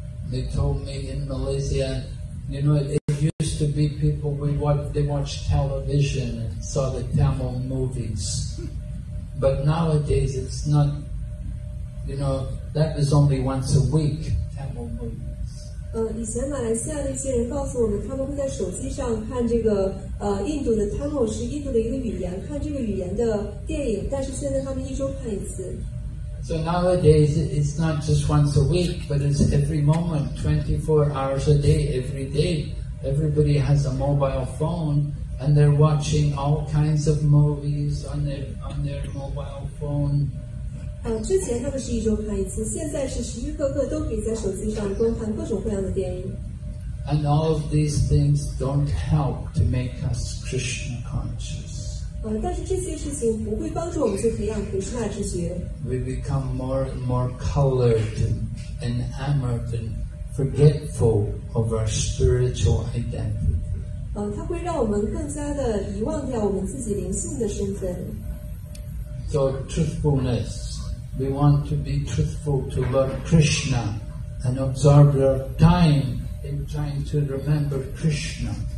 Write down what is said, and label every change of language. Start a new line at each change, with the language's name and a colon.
English: They told me in Malaysia, you know, it used to be people watched television and saw the Tamil movies. But nowadays it's not, you know, that is only once a week, Tamil movies.
Chinese: 以前马来西亚的一些人告诉我们，他们会在手机上看这个印度的Tamil，是印度的一个语言，看这个语言的电影，但是现在他们一周看一次。
English: So nowadays it's not just once a week, but it's every moment, 24 hours a day, every day. Everybody has a mobile phone and they're watching all kinds of movies on their mobile phone.
Chinese: 之前那个是一周看一次，现在是时时刻刻都可以在手机上观看各种各样的电影。
English: And all of these things don't help to make us Krishna conscious.
Chinese: 但是这些事情不会帮助我们去培养Krishna知觉。
English: We become more and more colored and enamored and forgetful of our spiritual identity.
Chinese: 它会让我们更加的遗忘掉我们自己灵性的身份。
English: So truthfulness. We want to be truthful to Lord Krishna and absorb our time in trying to remember Krishna.